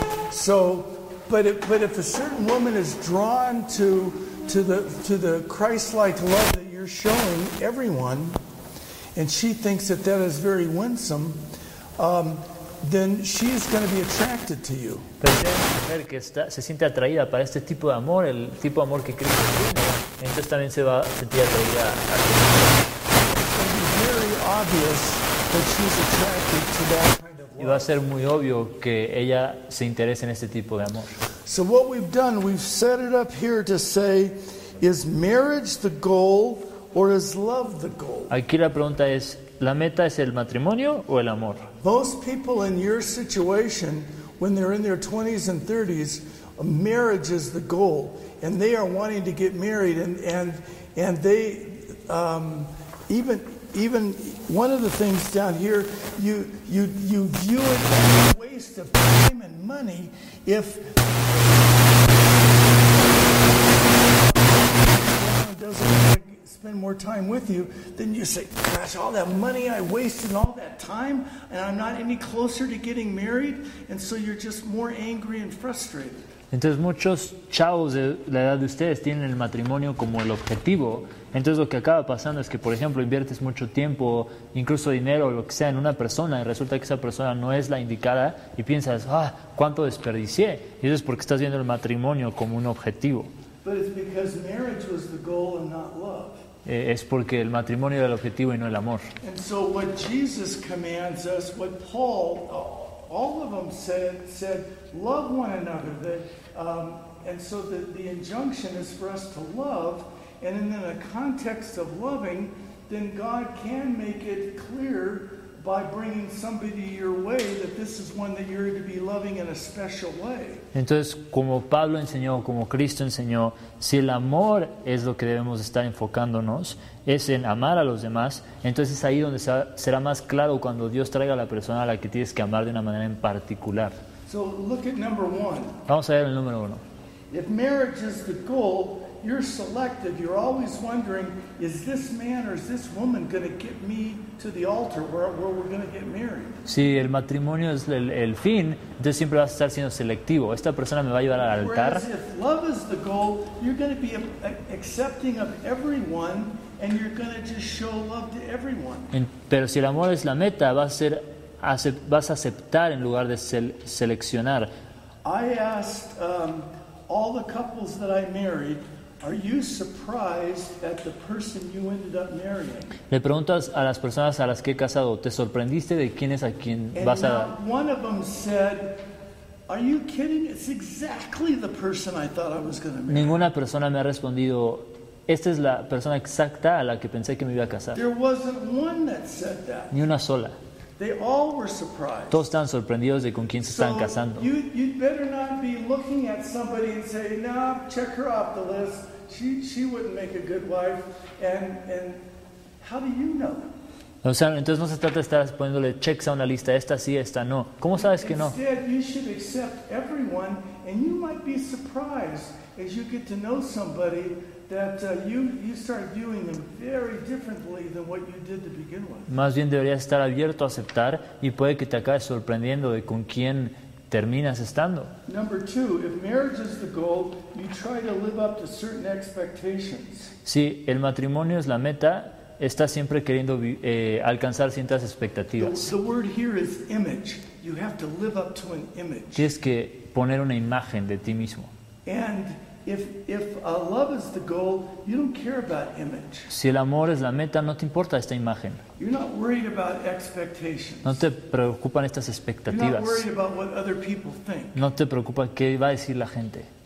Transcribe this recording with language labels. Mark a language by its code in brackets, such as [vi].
[en] So, but if a certain woman is drawn to the Christ-like love that you're showing everyone, and she thinks that that is very winsome, then she is going to be attracted to you. [es] Pero si hay una mujer que se siente atraída para este tipo de amor, el tipo de amor que Cristo tiene, entonces también se va a sentir atraída. [en] It's very obvious that she's attracted to that. [es] Y va a ser muy obvio que ella se interese en este tipo de amor. [en] So what we've done, we've set it up here to say, is marriage the goal or is love the goal? [es] Aquí la pregunta es, ¿la meta es el matrimonio o el amor? [en] Most people in your situation, when they're in their 20s and 30s, marriage is the goal. And they are wanting to get married. And they even one of the things down here, you view it as a waste of time and money if someone doesn't want to spend more time with you, then you say, gosh, all that money I wasted, all that time, and I'm not any closer to getting married, and so you're just more angry and frustrated. [es] Entonces muchos chavos de la edad de ustedes tienen el matrimonio como el objetivo. Entonces lo que acaba pasando es que, por ejemplo, inviertes mucho tiempo, incluso dinero o lo que sea, en una persona y resulta que esa persona no es la indicada y piensas, ah, ¿cuánto desperdicié? Y eso es porque estás viendo el matrimonio como un objetivo. [en] But it's because marriage was the goal and not love. [es] Es porque el matrimonio era el objetivo y no el amor. [en] And so what Jesus commands us, what Paul, all of them said love one another. And so the injunction is for us to love. And in the context of loving, then God can make it clear by bringing somebody your way that this is one that you're to be loving in a special way. [es] Entonces, como Pablo enseñó, como Cristo enseñó, si el amor es lo que debemos estar enfocándonos, es en amar a los demás, entonces es ahí donde será más claro cuando Dios traiga a la persona a la que tienes que amar de una manera en particular. [en] So look at number one. [es] Vamos a ver el número uno. [en] If marriage is the goal, you're selective. You're always wondering, is this man or is this woman going to get me to the altar where we're going to get married? [es] Si el matrimonio es el fin, entonces siempre vas a estar siendo selectivo. ¿Esta persona me va a llevar al altar? [en] Whereas if love is the goal, you're going to be accepting of everyone and you're going to just show love to everyone. [es] Pero si el amor es la meta, vas a aceptar en lugar de seleccionar. [en] I asked all the couples that I married, are you surprised at the person you ended up marrying? [es] Le preguntas a las personas a las que he casado, ¿te sorprendiste de quién es a quien vas a? [en] One of them said, are you kidding? It's exactly the person I thought I was going to marry. [es] Ninguna persona me ha respondido, esta es la persona exacta a la que pensé que me iba a casar. [en] There wasn't one that said that. [es] Ni una sola. [en] They all were surprised. [es] Todos están sorprendidos de con quién se están casando. [en] You'd better not be looking at somebody and say, "Nah, check her off the list. She wouldn't make a good wife." And how do you know? [es] O sea, entonces no se trata de estar poniéndole checks a una lista. Esta sí, esta no. ¿Cómo sabes que no? [en] Instead, you should accept everyone, and you might be surprised as you get to know somebody that you start viewing them very differently than what you did to begin with. [es] Más bien deberías estar abierto a aceptar y puede que te acabes sorprendiendo de con quién terminas estando. [en] Number two, if marriage is the goal, you try to live up to certain expectations. [es] Si el matrimonio es la meta, estás siempre queriendo alcanzar ciertas expectativas. [en] The word here is image. You have to live up to an image. [es] Tienes que poner una imagen de ti mismo. [en] And If love is the goal, you don't care about image. [es] Si el amor es la meta, no te importa esta imagen. [en] You're not worried about expectations. [es] No te preocupan estas expectativas. [en] You're not worried about what other people think. [es] No te preocupa qué va a decir la gente.